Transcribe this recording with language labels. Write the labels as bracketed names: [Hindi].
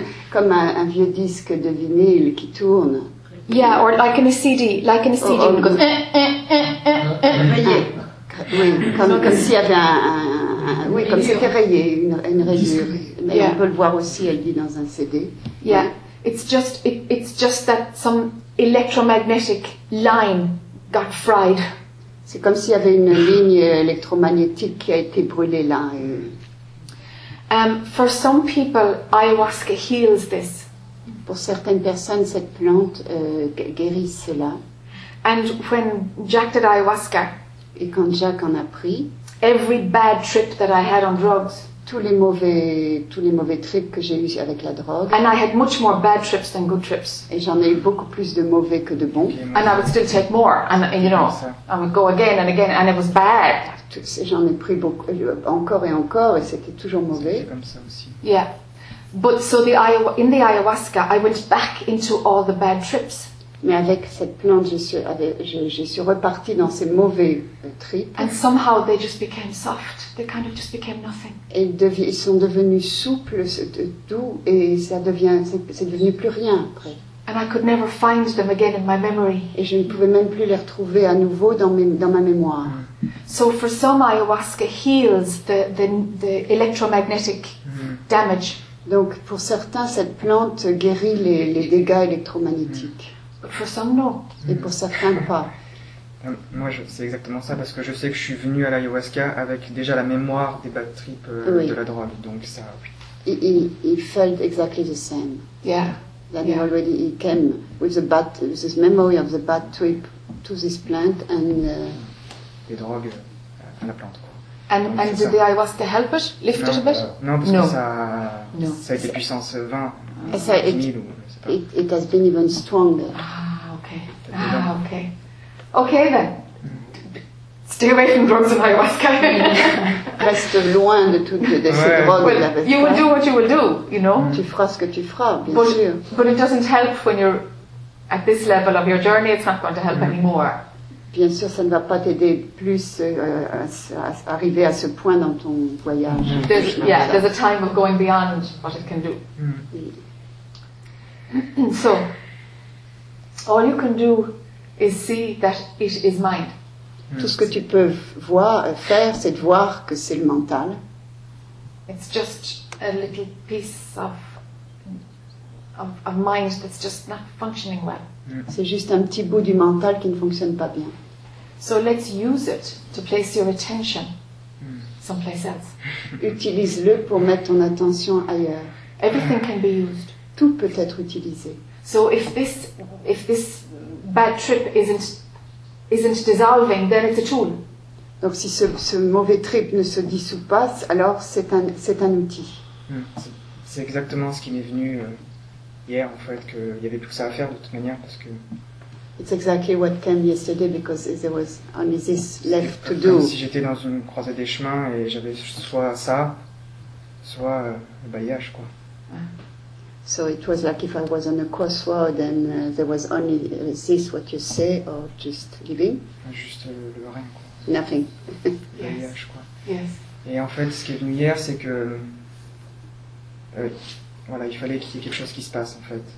[French] Comme un vieux disque de vinyle qui tourne. [English] Yeah, or like in a CD, like in a CD. [French] Comme s'il y avait comme c'était rayé, une rayure. Mais on peut le voir aussi, elle dit, dans un CD. [English] Yeah. It's just that some electromagnetic line got fried. [French] C'est comme s'il y avait une ligne électromagnétique qui a été brûlée là. [English] For some people, ayahuasca heals this. [French] Pour certaines personnes, cette plante guérit cela. [English] And when Jack did ayahuasca, [French] et quand Jack en a pris, [English] every bad trip that I had on drugs. [French] Tous les mauvais trips que j'ai eus avec la drogue. [English] And I had much more bad trips than good trips. [French] Et j'en ai eu beaucoup plus de mauvais que de bons. [English] And I would still take more, and you know, I would go again and again, and it was bad. [French] J'en ai pris beaucoup, encore et encore, et c'était toujours mauvais. [English] Yeah, but so in the ayahuasca, I went back into all the bad trips. [French] Mais avec cette plante, je suis repartie dans ces mauvais tripes. [English] And somehow they just became soft. They kind of just became nothing. [French] Et ils sont devenus souples, doux, et c'est devenu plus rien après. [English] And I could never find them again in my memory. [French] Et je ne pouvais même plus les retrouver à nouveau dans ma mémoire. [English] So for some ayahuasca heals the electromagnetic damage. [French] Donc pour certains, cette plante guérit les dégâts électromagnétiques. [English] But for some no. [French] Et pour certains pas. Moi, c'est exactement ça, parce que je sais que je suis venu à l'ayahuasca avec déjà la mémoire des bad trips oui. De la drogue, donc ça. [English] He felt exactly the same. Yeah. That yeah. he came with this memory of the bad trip to this plant and. [French] Des drogues à la plante. [English] And did the ayahuasca help it, lift it a bit? [French] Non, parce que ça a été puissance 20, 1000 ou... [English] It has been even stronger. Okay. Okay then. Stay away from drugs and ayahuasca. [French] Reste loin de toutes ces drogues. [English] Well, you will do what you will do, you know? [French] Tu feras ce que tu feras, bien sûr. [English] But it doesn't help when you're at this level of your journey, it's not going to help anymore. [French] Bien sûr, ça ne va pas t'aider plus à arriver à ce point dans ton voyage. [English] There's a time of going beyond what it can do. So, all you can do is see that it is mind. [French] Tout ce que tu peux faire, c'est de voir que c'est le mental. [English] It's just a little piece of mind that's just not functioning well. [French] C'est juste un petit bout du mental qui ne fonctionne pas bien. [English] So let's use it to place your attention someplace else. [French] Utilise-le pour mettre ton attention ailleurs. [English] Everything can be used. [French] Tout peut être utilisé. [English] So if this bad trip isn't dissolving, then it's a tool. [French] Donc si ce mauvais trip ne se dissout pas, alors c'est un outil. C'est exactement ce qui m'est venu hier en fait, qu'il y avait plus ça à faire de toute manière parce que. [English] It's exactly what came yesterday because there was only this left to [French] comme [English] do. [French] Comme si j'étais dans une croisée des chemins et j'avais soit ça, soit le bailliage, quoi. [English] So it was like if I was on a crossroad and there was only this, what you say, or just living. [French] Juste le rien, quoi. [English] Nothing. [French] Le bailliage, [English] yes. [French] Quoi. [English] Yes. [French] Et en fait, ce qui est venu hier, c'est que voilà, il fallait qu'il y ait quelque chose qui se passe, en fait.